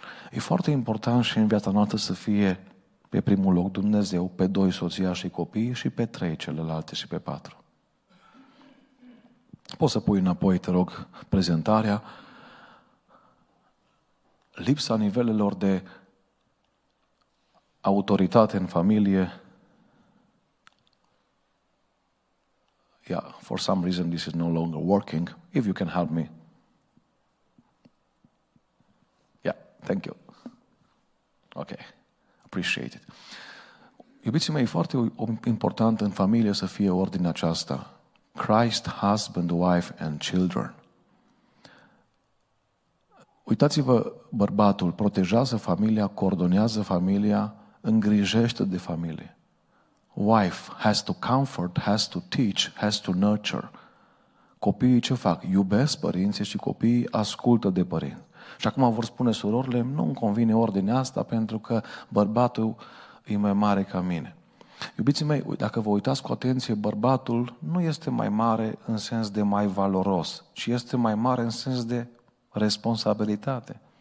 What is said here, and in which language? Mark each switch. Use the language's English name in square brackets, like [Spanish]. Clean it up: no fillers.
[Romanian] E foarte important și în viața noastră să fie pe primul loc Dumnezeu, pe doi soția și copii și pe trei celelalte și pe patru. Poți să pui înapoi, te rog, prezentarea. Lipsa nivelelor de autoritate în familie. [English] Yeah, for some reason this is no longer working. If you can help me. Yeah, thank you. Okay, appreciate it. [Romanian] Iubiții mei, e foarte important în familie să fie ordinea aceasta. [English] Christ, husband, wife and children. [Romanian] Uitați-vă, bărbatul protejează familia, coordonează familia, îngrijește de familie. [English] Wife has to comfort, has to teach, has to nurture. [Romanian] Copiii ce fac? Iubesc părinții și copiii ascultă de părinți. Și acum vor spune surorile, nu-mi convine ordinea asta pentru că bărbatul e mai mare ca mine. Iubiții mei, dacă vă uitați cu atenție, bărbatul nu este mai mare în sens de mai valoros, ci este mai mare în sens de responsabilitate.